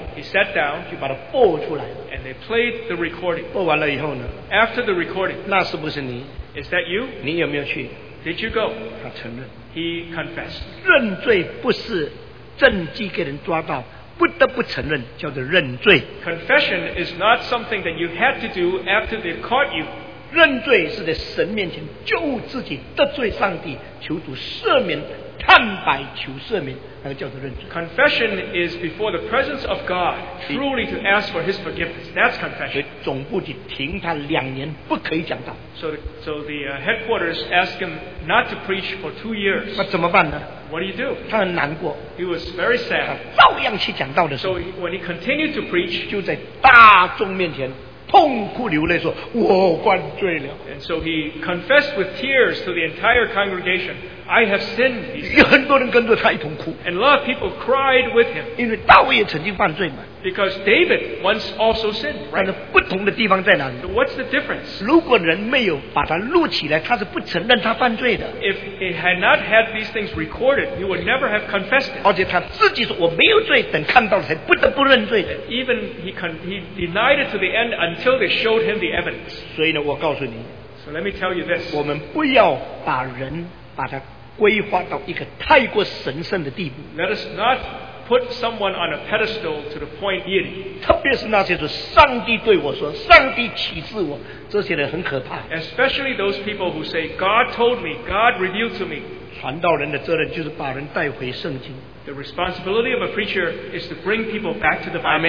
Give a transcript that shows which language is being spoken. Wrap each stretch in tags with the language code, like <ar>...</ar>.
<en>He sat down.</en> <zh>就把它播出来。</zh> <en>And they played the recording.</en> <zh>播完了以后呢</zh> <en>？After the recording,</en> <zh>那是不是你</zh> <en>？Is that you?</en> <zh>你有没有去</zh> <en>？Did you go?</en> <zh>他承认。</zh> <en>He confessed.</en> <zh>认罪不是证据给人抓到。不得不承认，叫做认罪。</zh> <en>Confession is not something that you had to do after they caught you.</en> <zh>认罪是在神面前就自己得罪上帝，求主赦免，坦白求赦免，那个叫做认罪。</zh> <en>Confession is before the presence of God, truly to ask for His forgiveness. That's confession.</en> <zh>所以总部就停他两年，不可以讲道。</zh> <en>So the headquarters asked him not to preach for 2 years.</en> <zh>那怎么办呢？</zh> <en>What do you do?</en> <zh>他很难过。</zh> <en>He was very sad.</en> <zh>他照样去讲道的时候。</zh> <en>So when he continued to preach,</en> <zh>就在大众面前痛哭流泪说：“我犯罪了。”</zh> <en>And so he confessed with tears to the entire congregation, "I have sinned."</en> <zh>有很多人跟着他一同哭。</zh> <en>And a lot of people cried with him.</en> <zh>因为大卫也曾经犯罪嘛。</zh> <en>Because David once also sinned, right?</en> <zh>但是不同的地方在哪里?</zh> <en>What's the difference?</en> <zh>如果人没有把他录起来，他是不承认他犯罪的。</zh> <en>If he had not had these things recorded, he would never have confessed it.</en> <zh>而且他自己说我没有罪，等看到才不得不认罪的。</zh> <en>Even he denied it to the end until they showed him the evidence.</en> <zh>所以呢，我告诉你。</zh> <en>So let me tell you this.</en> <zh>我们不要把人把他规划到一个太过神圣的地步。</zh> <en>Let us not put someone on a pedestal to the point deity.</en> <zh>特别是那些说上帝对我说，上帝启示我，这些人很可怕。</zh> <en>Especially those people who say, God told me, God revealed to me.</en> <zh>传道人的责任就是把人带回圣经。</zh> <en>The responsibility of a preacher is to bring people back to the Bible.</en>